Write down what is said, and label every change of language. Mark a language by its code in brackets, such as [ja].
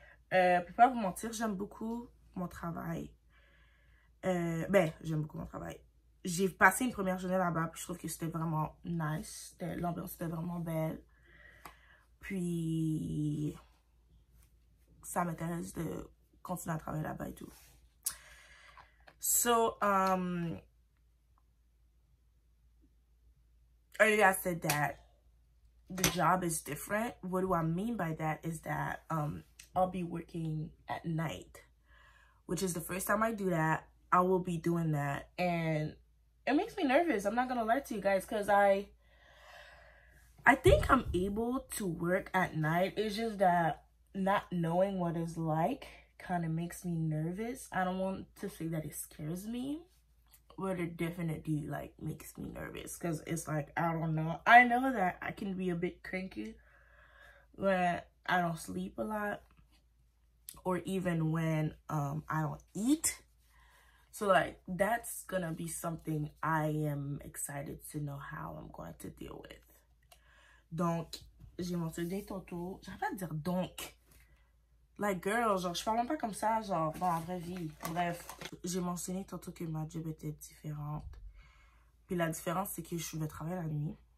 [fr] Je peux pas vous mentir, j'aime beaucoup mon travail. J'aime beaucoup mon travail. J'ai passé une première journée là-bas, puis je trouve que c'était vraiment nice. L'ambiance était vraiment belle. Puis, ça m'intéresse de continuer à travailler là-bas et tout. [en] Earlier I said that the job is different. What do I mean by that is that I'll be working at night, which is the first time I do that. I will be doing that, and it makes me nervous. I'm not gonna lie to you guys, because I think I'm able to work at night. It's just that not knowing what it's like kind of makes me nervous. I don't want to say that it scares me, but it definitely like makes me nervous, because it's like, I don't know. I know that I can be a bit cranky when I don't sleep a lot, or even when I don't eat. So like, that's gonna be something I am excited to know how I'm going to deal with. [fr] Donc, j'ai mentionné tantôt, j'arrive pas à dire donc. [en] Like, girl, [fr] genre, je parle même pas comme ça, genre, dans la vraie vie. Bref, j'ai mentionné tantôt que ma job était différente. Puis la différence, c'est que je vais travailler la nuit.